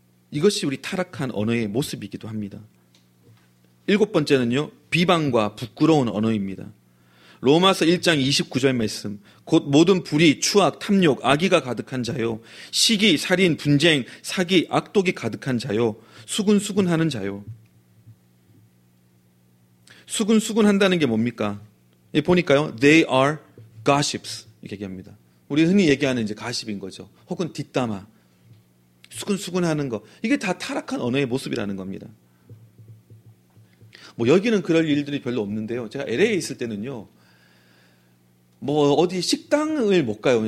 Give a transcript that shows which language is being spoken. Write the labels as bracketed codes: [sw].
[ko] 이것이 우리 타락한 언어의 모습이기도 합니다. 일곱 번째는요, 비방과 부끄러운 언어입니다. 로마서 1장 29절 말씀, 곧 모든 불의, 추악, 탐욕, 악의가 가득한 자요, 시기, 살인, 분쟁, 사기, 악독이 가득한 자요, 수군수군하는 자요. 수군수군한다는 게 뭡니까? 보니까요, [en] they are gossips. [ko] 이렇게 얘기합니다. 우리 흔히 얘기하는 이제 가십인 거죠. 혹은 뒷담화. 수근수근 하는 거. 이게 다 타락한 언어의 모습이라는 겁니다. 뭐 여기는 그럴 일들이 별로 없는데요. 제가 LA에 있을 때는요. 뭐 어디 식당을 못 가요.